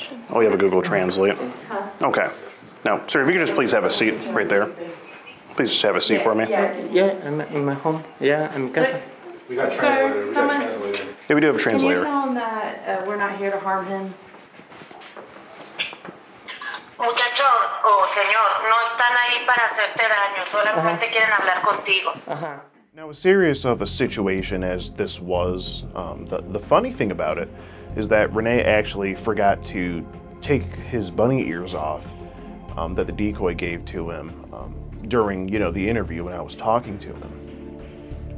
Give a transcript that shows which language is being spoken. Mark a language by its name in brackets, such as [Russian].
[English] Oh, you have a Google Translate. Okay. Now, sir, if you could just please have a seat right there. Please just have a seat for me. Yeah, I'm at home. Yeah, I'm in casa. We got a translator. Someone, yeah, we do have a translator. Can you tell him that we're not here to harm him? [Spanish] Muchacho, o señor, no están ahí para hacerte daño. Solamente quieren hablar contigo. [English] Now, as serious of a situation as this was, the funny thing about it is that Rene actually forgot to take his bunny ears off that the decoy gave to him during, you know, the interview when I was talking to him.